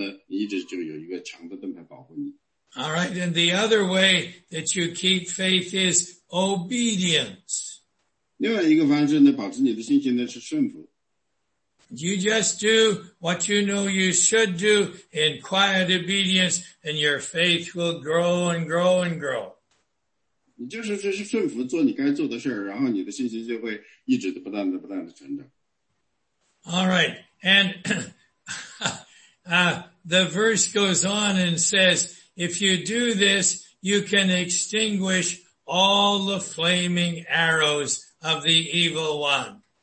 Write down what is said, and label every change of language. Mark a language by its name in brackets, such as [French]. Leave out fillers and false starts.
[Chinese] 当然是的,所以呢,怎么去拿呢?你要记得,去读神的话,听神的话,这样呢,你一直就有一个强的盾牌保护你。 [English] All right, and the other way that you keep faith is obedience. [Chinese] 另外一个方式呢,保持你的信心呢,是顺服。 [English] You just do what you know you should do in quiet obedience, and your faith will grow and grow and grow. [Chinese] 你就是顺服做你该做的事儿,然后你的信心就会一直不断的成长。 [English] All right, and the verse goes on and says, if you do this, you can extinguish all the flaming arrows of the evil one.